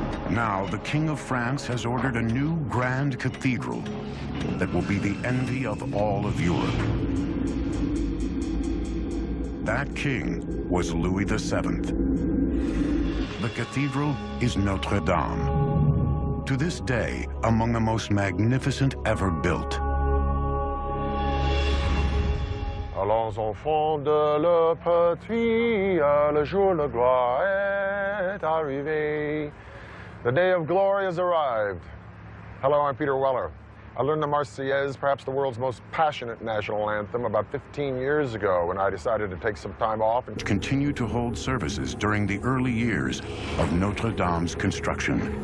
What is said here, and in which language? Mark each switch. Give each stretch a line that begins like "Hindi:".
English: Now, the King of France has ordered a new grand cathedral that will be the envy of all of Europe. That king was Louis VII. The cathedral is Notre Dame. To this day, among the most magnificent ever built.
French: Allons enfants de la patrie, le jour de gloire est arrivé.
English: The day of glory has arrived. Hello, I'm Peter Weller. I learned the Marseillaise, perhaps the world's most passionate national anthem, about 15 years ago when I decided to take some time off and continue to hold services during the early years of Notre Dame's construction.